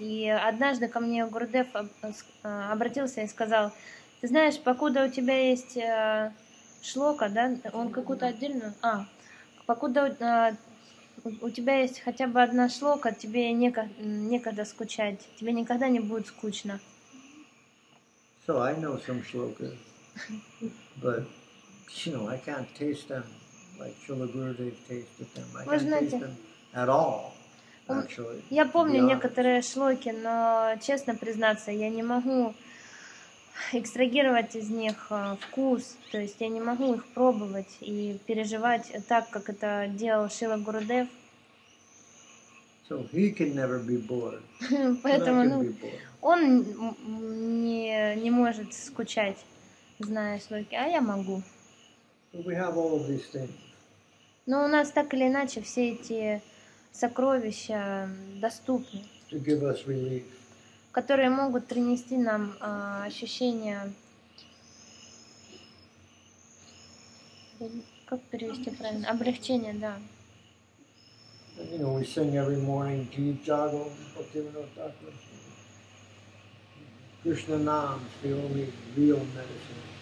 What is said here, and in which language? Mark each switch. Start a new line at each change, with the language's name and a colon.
Russian: И однажды ко мне Гурудев обратился и сказал: ты знаешь, покуда у тебя есть шлока, да, он какую-то отдельную, покуда у тебя есть хотя бы одна шлока, тебе некогда скучать, тебе никогда не будет скучно.
English: So I know some shlokas, but you know, I can't taste them like Srila Gurudev tasted them. I can't taste them at all. Actually,
Russian: я помню некоторые шлоки, но, честно признаться, я не могу экстрагировать из них вкус, то есть я не могу их пробовать и переживать так, как это делал Шрила Гурудев.
English: So he can never be bored.
Russian: Поэтому он не может скучать, зная шлоки, а я могу.
English: We have all of these things.
Russian: Но у нас так или иначе все эти сокровища доступны,
English: to give us relief,
Russian: которые могут принести нам ощущение, как перевести правильно, облегчение, да.
English: You know, we sing every morning, deep jagal, bhaktivinoda, Krishna nam is the only real medicine.